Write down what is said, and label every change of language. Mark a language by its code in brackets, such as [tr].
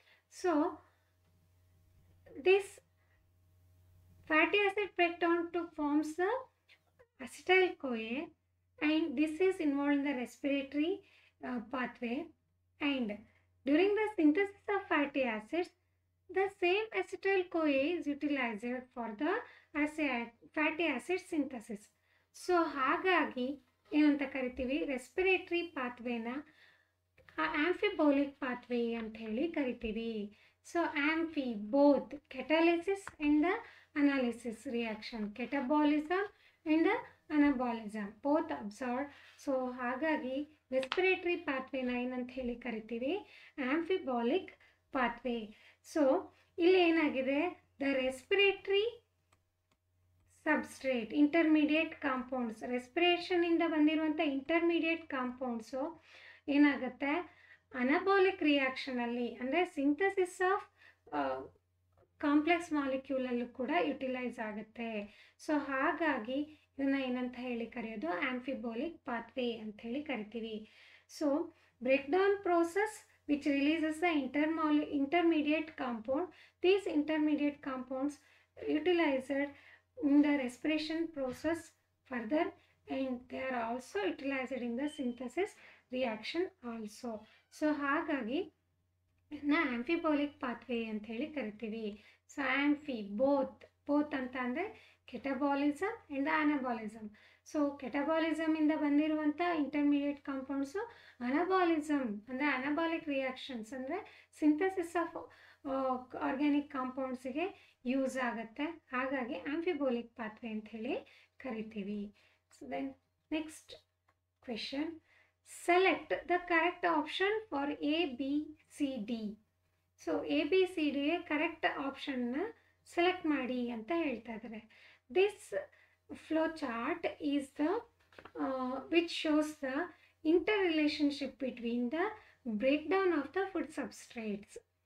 [en] So this fatty acid breakdown to forms the acetyl-CoA, and this is involved in the respiratory pathway. And during the synthesis of fatty acids, the same acetyl-CoA is utilized for the fatty acid synthesis. [kn] So hagagi ಏನಂತ ಕರಿತೀವಿ, respiratory ಪಾತ್ವೇನ ಆಂಫಿಬೋಲಿಕ್ pathway ಅಂತ ಹೇಳಿ ಕರಿತೀವಿ. [en] So amphi both catalysis and the analysis reaction, catabolism and the anabolism both observe. [kn] So ಹಾಗಾಗಿ respiratory ಪಾತ್ವೇನ ಏನಂತ ಹೇಳಿ ಕರಿತೀವಿ, ಆಂಫಿಬೋಲಿಕ್ pathway. So ಇಲ್ಲಿ ಏನಾಗಿದೆ, the respiratory substrate intermediate compounds, ರೆಸ್ಪಿರೇಷನಿಂದ ಬಂದಿರುವಂಥ ಇಂಟರ್ಮೀಡಿಯೇಟ್ ಕಾಂಪೌಂಡ್ಸು ಏನಾಗುತ್ತೆ, ಅನಬೋಲಿಕ್ ರಿಯಾಕ್ಷನಲ್ಲಿ ಅಂದರೆ ಸಿಂಥಸಿಸ್ ಆಫ್ ಕಾಂಪ್ಲೆಕ್ಸ್ ಮಾಲಿಕ್ಯೂಲಲ್ಲೂ ಕೂಡ ಯುಟಿಲೈಸ್ ಆಗುತ್ತೆ. ಸೊ ಹಾಗಾಗಿ ಇದನ್ನು ಏನಂತ ಹೇಳಿ ಕರೆಯೋದು, ಆ್ಯಂಫಿಬೋಲಿಕ್ ಪಾತ್ವೇ ಅಂತ ಹೇಳಿ ಕರಿತೀವಿ. [en] So breakdown process which releases the intermediate compound, these intermediate compounds utilised in the respiration process further, and they are also utilized in the synthesis reaction also. [kn] So hagagi na amphibolic pathway anthe heli karitivi. [en] So amphi both [kn] antandre [en] catabolism and the anabolism. [kn] So catabolism inda bandiruvanta intermediate compounds, anabolism andre anabolic reactions andre synthesis of organic ಕಾಂಪೌಂಡ್ಸಿಗೆ use ಆಗುತ್ತೆ, ಹಾಗಾಗಿ ಆಂಫಿಬೋಲಿಕ್ pathway ಅಂಥೇಳಿ ಕರಿತೀವಿ. [en] So then next question, select the correct option for A B C D. [kn] So A B C D correct ಆಪ್ಷನ್ನ select ಮಾಡಿ ಅಂತ ಹೇಳ್ತಾ ಇದ್ದಾರೆ. [en] This flow chart is the which shows the interrelationship between the breakdown of the food substrates.